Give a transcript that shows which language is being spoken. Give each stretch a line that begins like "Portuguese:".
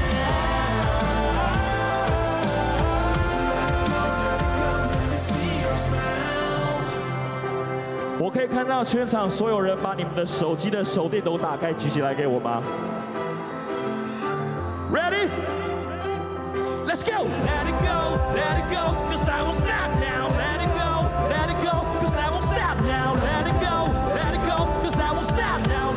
English: Let it go, let it go, let me see your smile.
Chinese: 我可以看到全场所有人把你们的手机的手电都打开，举起来给我吗 ？
English: Ready? Let's go! Let it go, let it go, 'cause I won't stop now. Let it go, let it go, 'cause I won't stop now. Let it go, let it go, 'cause I won't stop now.